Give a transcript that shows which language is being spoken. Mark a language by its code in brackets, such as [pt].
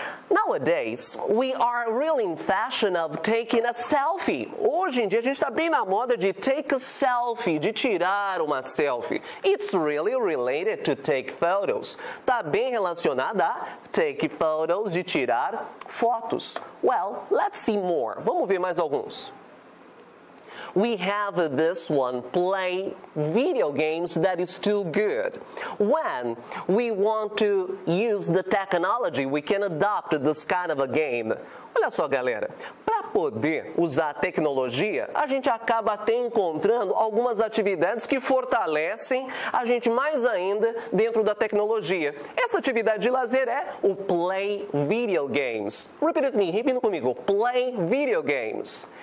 [en] Nowadays, we are really in fashion of taking a selfie. [pt] Hoje em dia, a gente está bem na moda de take a selfie, de tirar uma selfie. [en] It's really related to take photos. [pt] Está bem relacionada a take photos, de tirar fotos. [en] Well, let's see more. [pt] Vamos ver mais alguns. [en] We have this one, play video games, that is too good. When we want to use the technology, we can adopt this kind of a game. [pt] Olha só, galera, para poder usar a tecnologia, a gente acaba até encontrando algumas atividades que fortalecem a gente mais ainda dentro da tecnologia. Essa atividade de lazer é o play video games. [en] Repeat with me, [pt] repita comigo, [en] play video games.